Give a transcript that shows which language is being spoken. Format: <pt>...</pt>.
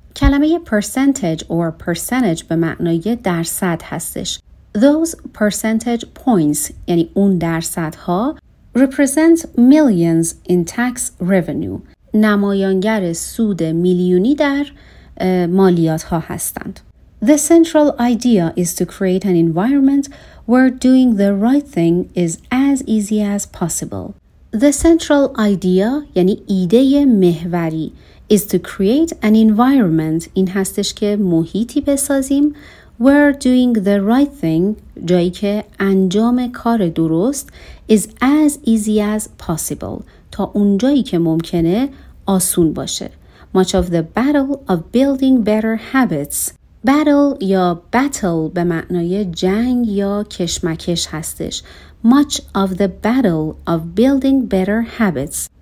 <fa>کلمه percentage or percentage به معنای درصد هستش.</fa> <en>Those percentage points,</en> <fa>یعنی اون درصدها,</fa> <en>represent millions in tax revenue.</en> <fa>نمایانگر سود میلیونی در مالیات ها هستند.</fa> <en>The central idea is to create an environment where doing the right thing is as easy as possible. The central idea</en> <fa>یعنی ایده محوری</fa> <en>is to create an environment</en> <fa>این هستش که محیطی بسازیم</fa> <en>where doing the right thing</en> <fa>جایی که انجام کار درست</fa> <en>is as easy as possible</en> <fa>تا اونجایی که ممکنه آسون باشه.</fa> <en>Much of the battle of building better habits.</en> <fa>Battle یا battle به معنای جنگ یا کشمکش هستش.</fa> <en>Much of the battle of building better habits.</en>